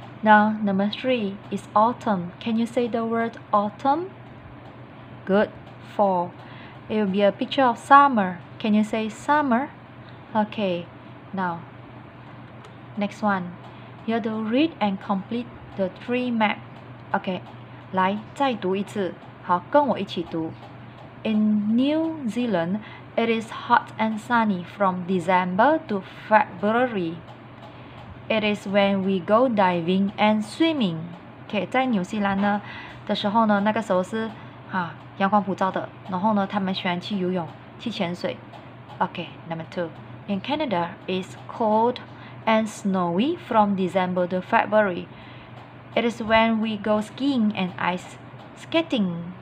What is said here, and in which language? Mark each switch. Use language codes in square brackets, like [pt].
[en] Now, number three is autumn. Can you say the word autumn? Good. Four. It will be a picture of summer. Can you say summer? Okay. Now, next one. You have to read and complete the three map. Okay. [zh] 来,再读一次。好,跟我一起读. [en] In New Zealand, it is hot and sunny from December to February. It is when we go diving and swimming. [zh] Okay, 在纽西兰呢的时候呢，那个时候是阳光普照的，然后呢，他们喜欢去游泳、去潜水. [en] Okay, number two. In Canada, it's cold and snowy from December to February. It is when we go skiing and ice skating.